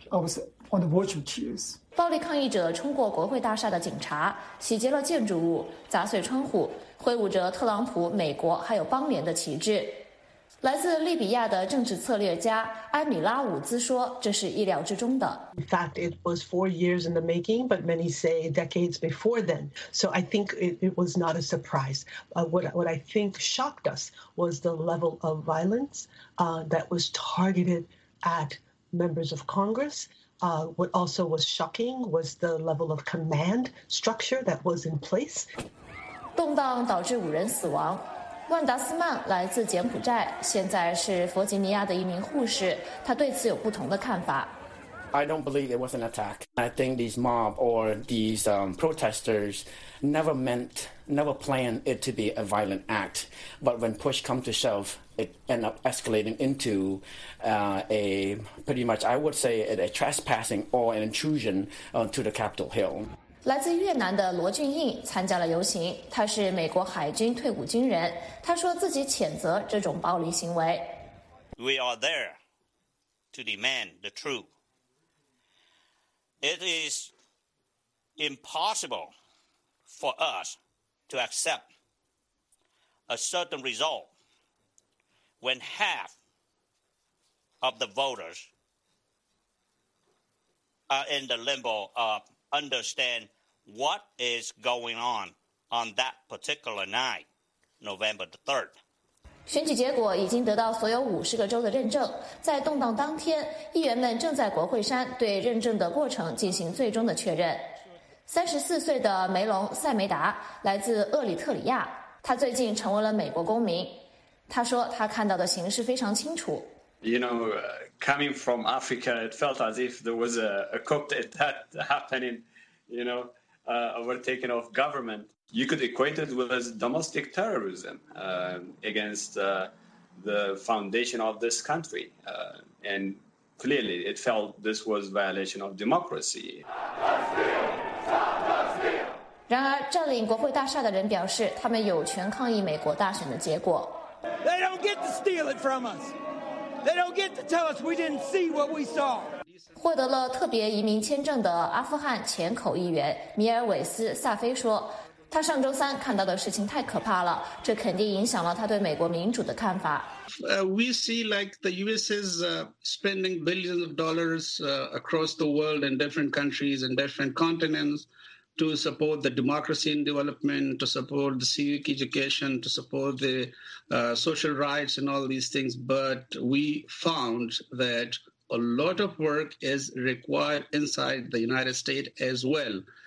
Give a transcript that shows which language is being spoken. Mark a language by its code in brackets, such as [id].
[en] I was on the verge of tears. [zh] 暴力抗议者冲过国会大厦的警察，洗劫了建筑物，砸碎窗户，挥舞着特朗普、美国还有邦联的旗帜。来自利比亚的政治策略家埃米拉伍兹说，这是意料之中的。 [en] In fact, it was 4 years in the making, but many say decades before then. So I think it was not a surprise. What I think shocked us was the level of violence, that was targeted at members of Congress. What also was shocking was the level of command structure that was in place. [zh] 动荡导致5人死亡。万达斯曼来自柬埔寨，现在是弗吉尼亚的一名护士，他对此有不同的看法。 [en] I don't believe it was an attack. I think these mob or these protesters never planned it to be a violent act. But when push comes to shove, it ended up escalating into a trespassing or an intrusion to the Capitol Hill. [zh] 来自越南的罗俊印参加了游行，他是美国海军退伍军人，他说自己谴责这种暴力行为。 [en] We are there to demand the truth. It is impossible for us to accept a certain result when half of the voters are in the limbo of understandWhat is going on that particular night, November the 3rd? [zh] 选举结果已经得到所有50个州的认证。在动荡当天，议员们正在国会山对认证的过程进行最终的确认。 34岁的梅隆·塞梅达来自厄里特里亚，他最近成为了美国公民。他说他看到的形势非常清楚。 [en] You know, coming from Africa, it felt as if there was a coup d'état happening. You know. Overtaken of government. You could equate it with domestic terrorism against the foundation of this country. And clearly it felt this was a violation of democracy. [zh] 然而占领国会大厦的人表示他们有权抗议美国大选的结果。 [en] They don't get to steal it from us. They don't get to tell us we didn't see what we saw. [zh] 获得了特别移民签证的阿富汗前口议员米尔韦斯·萨菲说，他上周三看到的事情太可怕了，这肯定影响了他对美国民主的看法。 [en] We see like the U.S. is spending billions of dollars across the world in different countries and different continents to support the democracy in development, to support the civic education, to support the social rights and all these things. But we found that a lot of work is required inside the United States as well.